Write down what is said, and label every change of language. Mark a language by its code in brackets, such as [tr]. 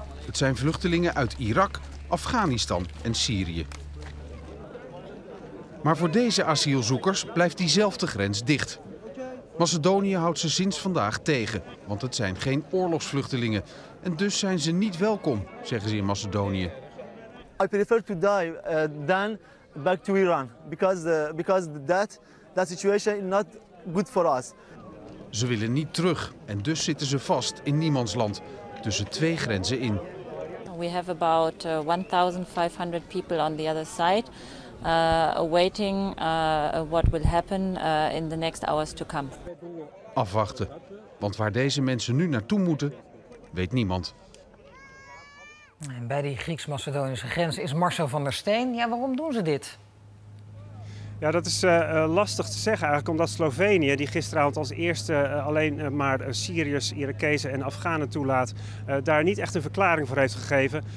[nl] Het zijn vluchtelingen uit Irak, Afghanistan en Syrië. Maar voor deze asielzoekers blijft diezelfde grens dicht. Macedonië houdt ze sinds vandaag tegen, want het zijn geen oorlogsvluchtelingen. En dus zijn ze niet welkom, zeggen ze in Macedonië. [en] Ik prefer to die than back to Iran. Because that situatie is not good for us. [nl] Ze willen niet terug en dus zitten ze vast in niemandsland, tussen 2 grenzen in. [en] We have about 1500 people on the other side. Awaiting what will happen in the next hours to come. [nl] Afwachten, want waar deze mensen nu naartoe moeten, weet niemand. En bij die Grieks-Macedonische grens is Marcel van der Steen. Ja, waarom doen ze dit? Ja, dat is lastig te zeggen eigenlijk, omdat Slovenië, die gisteravond als eerste alleen maar Syriërs, Irakezen en Afghanen toelaat, daar niet echt een verklaring voor heeft gegeven.